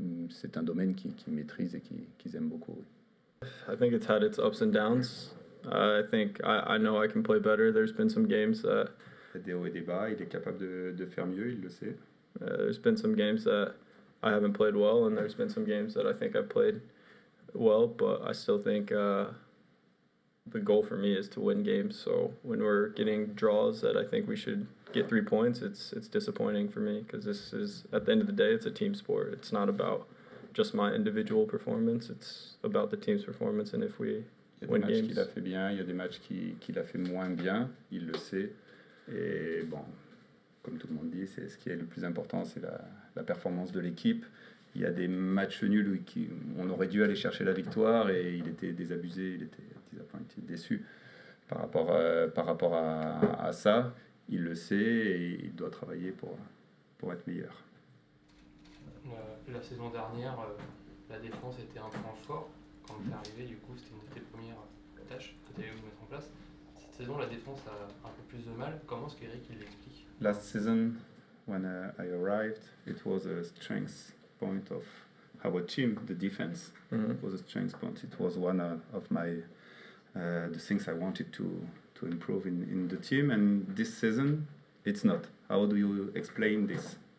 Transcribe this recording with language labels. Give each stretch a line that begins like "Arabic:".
French: C'est un domaine qu'ils maîtrisent et qu'ils aiment beaucoup.
English: I think it's had its ups and downs. I think I know I can play better. There's been some games that...
French: Des hauts et des bas, il est capable de faire mieux, il le sait.
English: There's been some games that I haven't played well, and there's been some games that I think I've played well, but I still think the goal for me is to win games. So when we're getting draws that I think we should get 3 points, it's disappointing for me, because this is, at the end of the day, it's a team sport. It's not about just my individual performance, it's about the team's performance. And if we win games,
French: il y a des matchs qu'il a fait bien, il y a des matchs qu'il a fait moins bien, il le sait. Et bon, comme tout le monde dit, c'est ce qui est le plus important, c'est la performance de l'équipe. Il y a des matchs nuls où on aurait dû aller chercher la victoire et il était désabusé, il était disappointed, déçu par rapport à ça. Il le sait et il doit travailler pour être meilleur. La saison dernière, la défense était un point fort quand tu es arrivé. Du coup, c'était une de tes premières tâches que tu avais voulu mettre en place. Cette saison, la défense a un peu plus de mal. Comment est-ce qu'Eric il l'explique?
English: Last season, when I arrived, it was a strength point of our team, the defense. Mm-hmm. It was a strength point. It was one of my the things I wanted to improve in the team. And this season, it's not. How do you explain this?